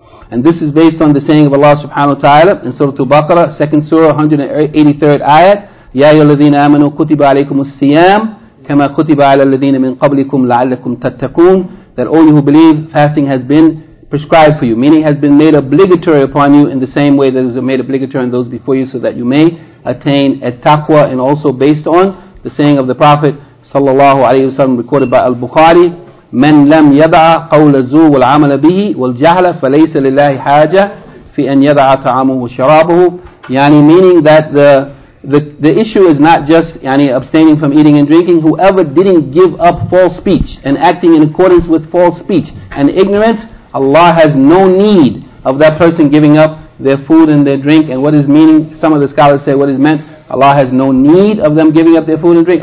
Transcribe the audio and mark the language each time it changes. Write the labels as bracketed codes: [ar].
[en] And this is based on the saying of Allah subhanahu wa ta'ala in Surah Al-Baqarah, 2nd Surah, 183rd ayat, [ar] يَا أَيُّهَا الَّذِينَ آمَنُوا كُتِبَ عَلَيْكُمُ السِّيَامُ كَمَا كُتِبَ عَلَى الَّذِينَ مِنْ قَبْلِكُمْ لَعَلَّكُمْ تَتَّقُونَ. [en] That all you who believe, fasting has been prescribed for you, meaning has been made obligatory upon you in the same way that it was made obligatory on those before you, so that you may attain at taqwa. And also based on the saying of the Prophet sallallahu alaihi wasallam, recorded by Al-Bukhari, [ar] مَنْ لَمْ يَدْعَ قَوْلَ الزُّورِ وَالْعَمَلَ بِهِ وَالْجَهْلَ فَلَيْسَ لِلَّهِ حَاجَةٌ فِي أَنْ يَدْعَ طَعَامُهُ وَشَرَابُهُ. [en] Yani meaning that the issue is not just yani abstaining from eating and drinking. Whoever didn't give up false speech and acting in accordance with false speech and ignorance, Allah has no need of that person giving up their food and their drink. And what is meaning, some of the scholars say what is meant, Allah has no need of them giving up their food and drink.